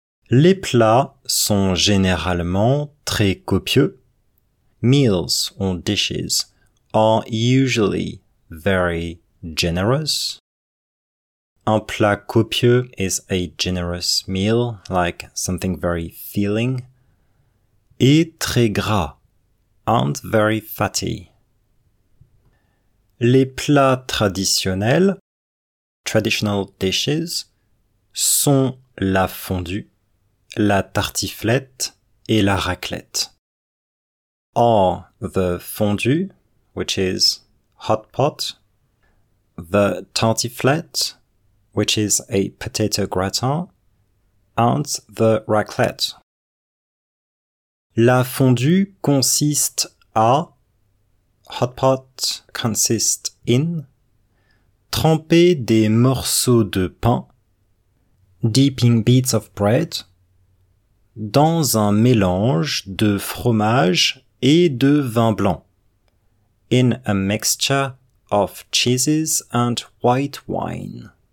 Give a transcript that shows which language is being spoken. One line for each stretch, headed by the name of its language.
French: Les plats sont généralement très copieux.
English: Meals or dishes are usually very generous.
French: Un plat copieux
English: is a generous meal, like something very filling.
French: Et très gras,
English: and very fatty.
French: Les plats traditionnels,
English: traditional dishes,
French: sont la fondue, la tartiflette et la raclette.
English: Are the fondue, which is hot pot, the tartiflette, which is a potato gratin, and the raclette.
French: La fondue consiste à,
English: hot pot consists in,
French: tremper des morceaux de pain,
English: dipping bits of bread,
French: dans un mélange de fromage et de vin blanc,
English: in a mixture of cheeses and white wine.